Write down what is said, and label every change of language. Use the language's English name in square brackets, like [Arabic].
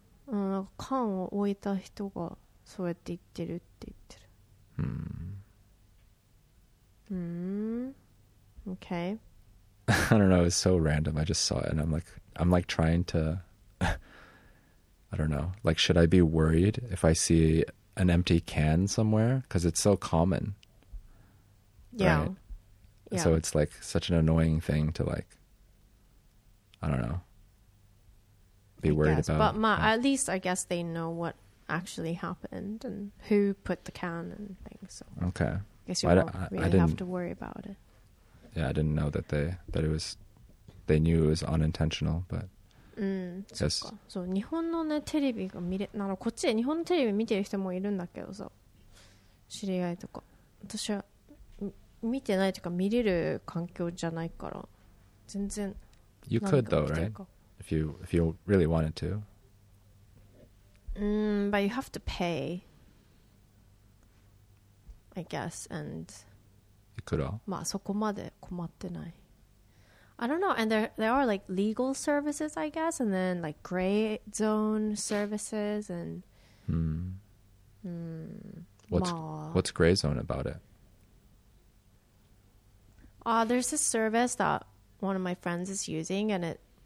[Japanese] なんか缶を置いた人がそうやって言ってるって言ってる。 [English] Okay. I don't know. It was so random. I just saw it and I'm like trying to I don't know. Like, should I be worried if I see an empty can somewhere? Because it's so common. Yeah. Right? Yeah. So it's like such an annoying thing to like, I don't know, be worried about. But at least I guess they know what actually happened and who put the can and things. So. Okay. I guess you don't have to worry about it. Yeah, I didn't know that they knew it was unintentional, but. [Japanese] うん、そうか。そう、日本のねテレビが見れ、なのこっちで日本のテレビ見てる人もいるんだけどさ、知り合いとか、私は見てないというか見れる環境じゃないから、全然。 [English] You could though, right? If you really wanted to. But you have to pay, I guess, and. You could all. [Japanese] まあそこまで困ってない。 [English] I don't know, and there are like legal services, I guess, and then like gray zone services and. What's gray zone about it? There's this service that one of my friends is using, and it.